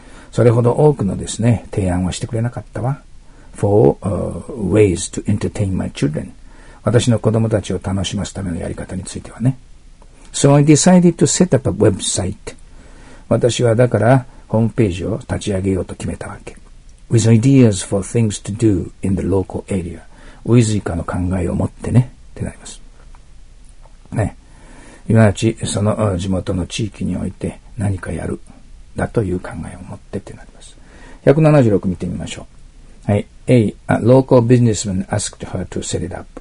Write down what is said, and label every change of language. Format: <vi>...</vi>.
<ja>それほど多くのですね、提案はしてくれなかったわ。</ja> <en>For ways to entertain my children.</en> <ja>私の子供たちを楽しますためのやり方についてはね。</ja> <en>So I decided to set up a website.</en> <ja>私はだから、ホームページを立ち上げようと決めたわけ。</ja> <en>With ideas for things to do in the local area.</en> <ja>ウィズ以下の考えを持ってね、ってなります。ね。いわゆるその地元の地域において何かやる、だという考えを持ってってなります。 176見てみましょう。はい。</ja> <en>A, a local businessman asked her to set it up.</en>